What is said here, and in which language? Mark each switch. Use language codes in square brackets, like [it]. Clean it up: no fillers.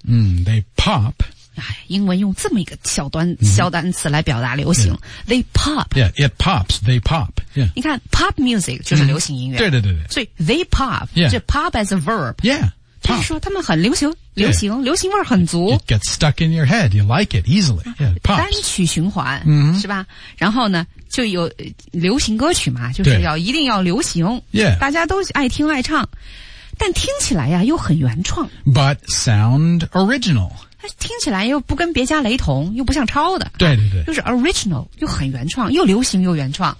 [en] 嗯、They pop [zh] 英文用这么一个小端、嗯、小单词来表达流行、 [en] yeah. They pop Yeah, it pops, they pop、yeah. [zh] 你看 [en] pop music [zh] 就是流行音乐、嗯、对对对对所以 [en] they pop、 yeah. 就 pop as a verb Yeah, [zh] 就是说他们很流行流行、 [en] yeah. [zh] 流行味儿很足 [en] It gets stuck in your head, you like it easily Yeah, pops [zh] 单曲循环、嗯、是吧然后呢就有流行歌曲嘛就是要一定要流行、 [en] yeah. [zh] 大家都爱听爱唱但听起来呀又很原创 [en] But sound original [zh] 听起来又不跟别家雷同又不像抄的对对对就是 original 又很原创又流行又原创